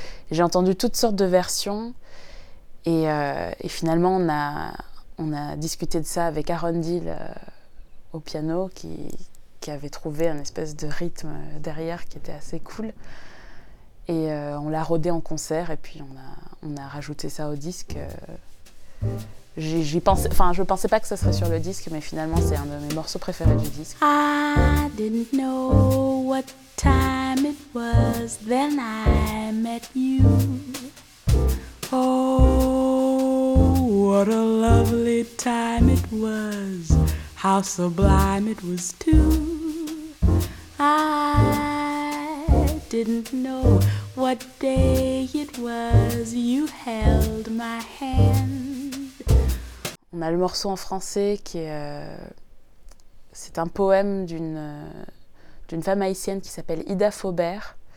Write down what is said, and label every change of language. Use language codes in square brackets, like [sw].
[fr] Et j'ai entendu toutes sortes de versions et finalement, on a discuté de ça avec Aaron Deal au piano qui avait trouvé un espèce de rythme derrière qui était assez cool. On l'a rodé en concert et puis on a rajouté ça au disque. Je pensais pas que ça serait sur le disque, mais finalement c'est un de mes morceaux préférés du disque. [en] I didn't know what time it was then I met you. Oh, what a lovely time it was. How sublime it was too. I didn't know what day it was you held my hand. [fr] On a le morceau en français qui est c'est un poème d'une femme haïtienne qui s'appelle Ida Faubert.